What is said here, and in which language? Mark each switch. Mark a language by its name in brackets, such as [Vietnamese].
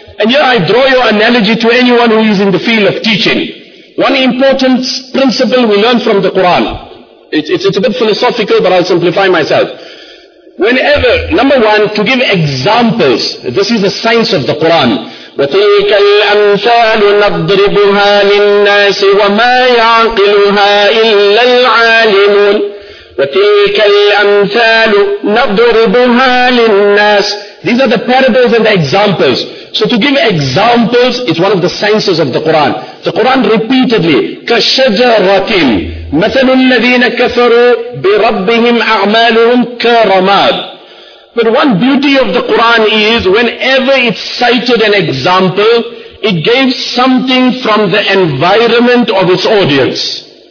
[English] And here I draw your analogy to anyone who is in the field of teaching. One important principle we learn from the Quran. It's a bit philosophical, but I'll simplify myself. Whenever, number one, to give examples, this is the science of the Quran. [Arabic] وَتِلْكَ الْأَمْثَالُ نَضْرِبُهَا لِلنَّاسِ وَمَا يَعْقِلُهَا إِلَّا الْعَالِمُونَ وَتِلْكَ الْأَمْثَالُ نَضْرِبُهَا لِلنَّاسِ [English] These are the parables and the examples. So to give examples, it's one of the sciences of the Quran. The Quran repeatedly, [Arabic] كَشَجَرَةٍ مَثَلُ الَّذِينَ كَفَرُوا بِرَبِّهِمْ أَعْمَالُهُمْ كَرَمَادٍ [English] But one beauty of the Quran is, whenever it cited an example, it gave something from the environment of its audience.